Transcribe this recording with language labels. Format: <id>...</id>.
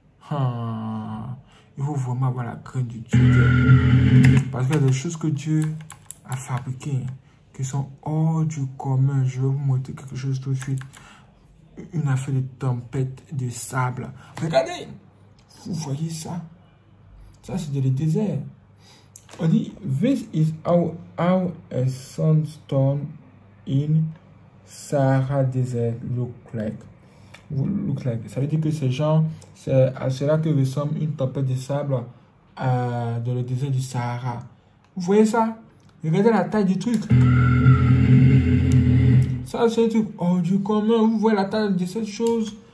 <fr>Ah, il faut vraiment avoir la crainte de Dieu. Parce qu'il y a des choses que Dieu a fabriquées qui sont hors du commun. Je vais vous montrer quelque chose tout de suite. Une affaire de tempête de sable. Regardez! Vous voyez ça? Ça, c'est le désert. On dit,</fr> <en>this is how a sandstorm in Sahara Desert look like.</en> <fr>Ça veut dire que ces gens, c'est à cela que nous sommes une tempête de sable dans le désert du Sahara. Vous voyez ça? Regardez la taille du truc. Ça, c'est un truc hors du commun. Vous voyez la taille de cette chose?</fr>